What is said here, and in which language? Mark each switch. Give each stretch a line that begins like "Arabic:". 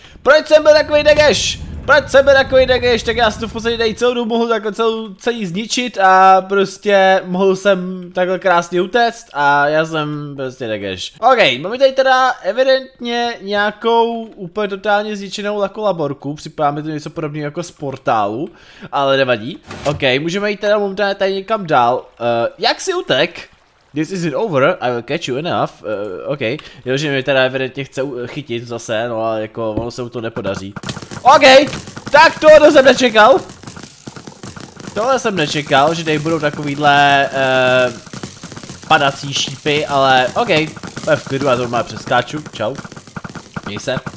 Czech: Proč jsem byl takový degeš? Proč jsem byl takový degeš? Tak já jsem tu v podstatě tady celou dobu mohl takhle celý zničit a prostě mohl jsem takhle krásně utéct a já jsem prostě degeš. OK, máme tady teda evidentně nějakou úplně totálně zničenou jako laborku, připadá mi to něco podobného jako z portálu, ale nevadí. OK, můžeme jít teda momentálně tady někam dál. Jak si utek?
English: This isn't over, I will catch you enough.
Czech: OK, jo, že mi teda evidentně chce chytit zase, no ale jako ono se mu to nepodaří. OK, tak tohle jsem nečekal. Tohle jsem nečekal, že tady budou takovýhle padací šípy, ale OK, to je v klidu, já to má přeskáču, čau. Měj se.